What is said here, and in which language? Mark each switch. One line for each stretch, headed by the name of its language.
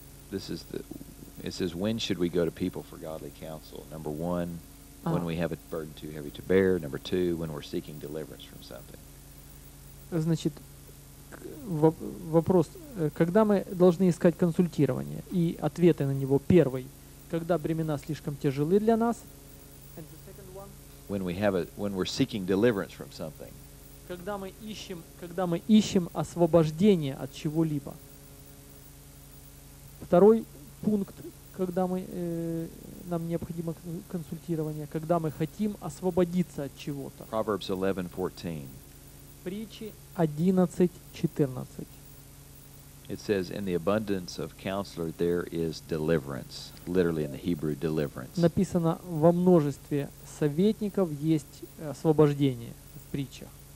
English: It says, when should we go to people for godly counsel? Number one, when we have a burden too heavy to bear. Number two, when we're seeking deliverance from something.
Russian: Значит, вопрос, когда мы должны искать консультирование? И ответы на него. Первый, когда бремена слишком тяжелы для нас.
English: And the second one, when we're seeking deliverance from something.
Russian: Когда мы ищем освобождение от чего-либо. Второй пункт, когда мы нам необходимо консультирование, когда мы хотим освободиться от чего-то.
English: Proverbs 11:14.
Russian: Притчи 11:14.
English: It says, in the abundance of counselor there is deliverance. Literally in the Hebrew, deliverance.
Russian: Написано, во множестве советников есть освобождение в притчах.